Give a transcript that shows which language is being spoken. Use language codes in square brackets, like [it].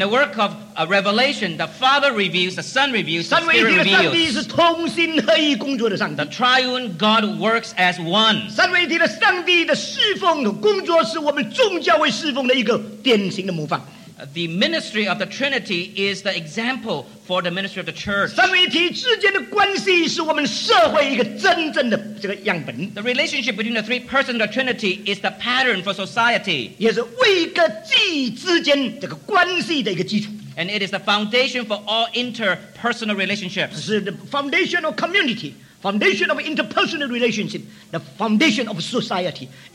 [en] In the work of a revelation, the Father reveals, the Son reveals, the Spirit reveals. [zh] 是同心合一工作的上帝。 [en] The triune God works as one. [zh] 三位一体的上帝的侍奉和工作是我们众教会侍奉的一个典型的模范。 [en] The ministry of the Trinity is the example for the ministry of the church. [zh] 三位一体之间的关系是我们社会一个真正的这个样本。 [en] The relationship between the three persons of the Trinity is the pattern for society. [zh] 也是位格祭之间这个关系的一个基础。 [en] And it is the foundation for all interpersonal relationships. It's the foundation of community, foundation of interpersonal relationship, the foundation of society.